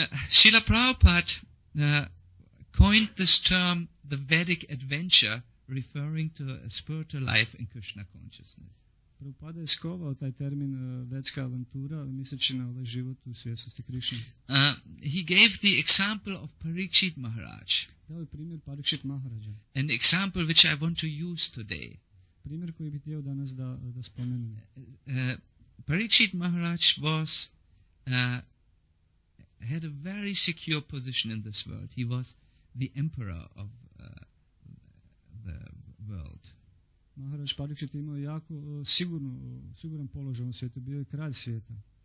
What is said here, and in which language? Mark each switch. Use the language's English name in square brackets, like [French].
[English] Srila Prabhupada coined this term the Vedic adventure, referring to a spiritual life in Krishna consciousness. [Bosnian] Prabhupada je skovao taj termin vedska avantura, misleći na ovaj život u svjesnosti Krishna. [English] He gave the example of Parikshit Maharaj. [Bosnian] Dao je primjer Parikshit Maharaja. [English] An example which I want to use today. [Bosnian] Primjer koji bih htio danas da spomenem. [English] Parikshit Maharaj was had a very secure position in this world. He was the emperor of the world. [Bosnian] Maharaj Parikshit imao jako siguran položaj u svijetu, bio je kralj svijeta.